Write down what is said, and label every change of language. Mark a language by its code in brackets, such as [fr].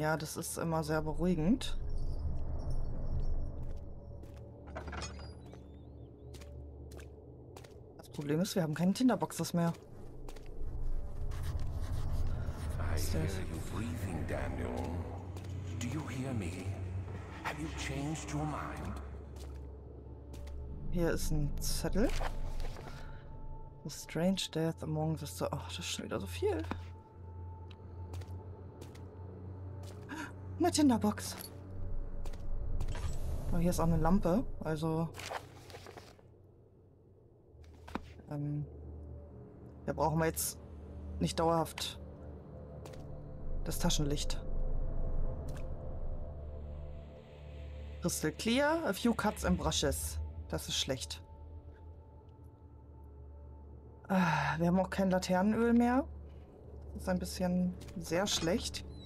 [de] Ja, das ist immer sehr beruhigend. Das Problem ist, wir haben keine Tinderboxes mehr. [en] I hear you breathing, Daniel. Do you hear me? Have you changed your mind? [de] Hier ist ein Zettel. [en] The strange death among the stars. [de] Ach, das ist schon wieder so viel. Eine Tinderbox. Oh, hier ist auch eine Lampe, also. Da brauchen wir jetzt nicht dauerhaft das Taschenlicht. [en] Crystal clear, a few cuts and brushes. [de] Das ist schlecht. Wir haben auch kein Laternenöl mehr. Das ist ein bisschen sehr schlecht.